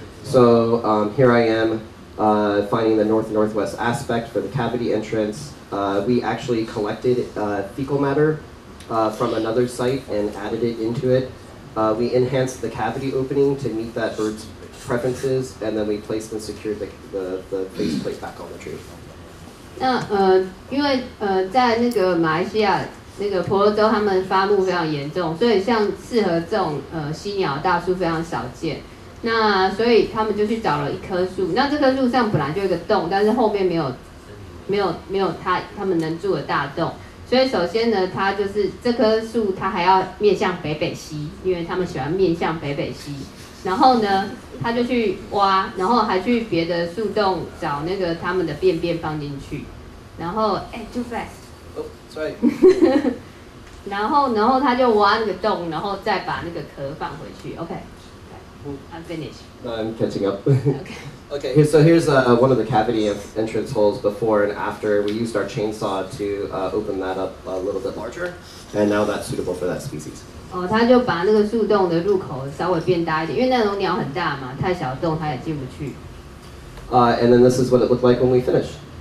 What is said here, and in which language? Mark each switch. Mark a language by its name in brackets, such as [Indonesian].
[English] So here I am finding the north-northwest aspect for the cavity entrance. We actually collected fecal matter from another site and added it into it. We enhanced the cavity opening to meet that bird's preferences, and then we placed and secured the face plate back on the tree. [Chinese] 那因为在那个马来西亚那个婆罗洲，他们伐木非常严重，所以像适合这种犀鸟大树非常少见。那所以他们就去找了一棵树，那这棵树上本来就有一个洞，但是后面没有他们能住的大洞。所以首先呢，它就是这棵树，它还要面向北北西，因为他们喜欢面向北北西。然后呢，他就去挖，然后还去别的树洞找那个他们的便便放进去，然后 [English] too fast， [Chinese] 然后他就挖那个洞，然后再把那个壳放回去。 [English] OK，I'm finished. I'm catching up. Okay. Okay. So here's one of the cavity entrance holes before and after. We used our chainsaw to open that up a little bit larger, and now that's suitable for that species. [Chinese] 哦，他就把那个树洞的入口稍微变大一点，因为那种鸟很大嘛，太小的洞它也进不去。 [English] And then this is what it looked like when we finished.